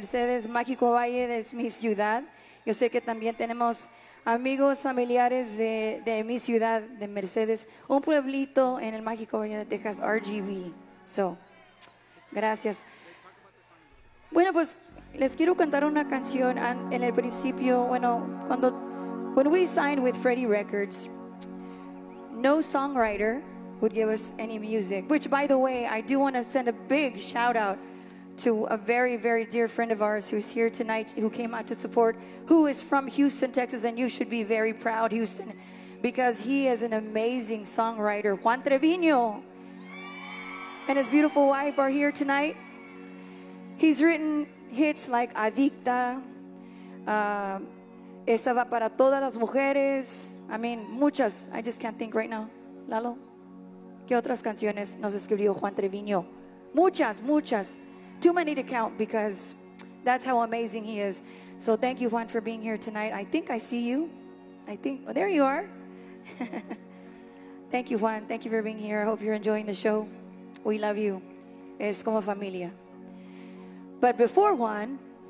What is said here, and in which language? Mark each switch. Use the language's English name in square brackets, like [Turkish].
[Spanish] Mercedes, Mágico Valle, es mi ciudad. Yo sé que también tenemos amigos, familiares de mi ciudad, de Mercedes. Un pueblito en el Mágico Valle de Texas, RGV. So, gracias. Bueno, pues les quiero cantar una canción en el principio. Bueno, cuando... [English] When we signed with Freddie Records, no songwriter would give us any music, which, by the way, I do want to send a big shout out to a very, very dear friend of ours who's here tonight, who came out to support, who is from Houston, Texas, and you should be very proud, Houston, because he is an amazing songwriter. Juan Trevino and his beautiful wife are here tonight. He's written hits like Adicta, Esa va para todas las mujeres. I mean, muchas. I just can't think right now. [Spanish] Lalo, ¿qué otras canciones nos escribió Juan Trevino? Muchas, muchas. [English] Too many to count because that's how amazing he is. So thank you, Juan, for being here tonight. I think I see you. I think, oh, there you are. Thank you, Juan. Thank you for being here. I hope you're enjoying the show. We love you. [Spanish] Es como familia. [English] But before Juan...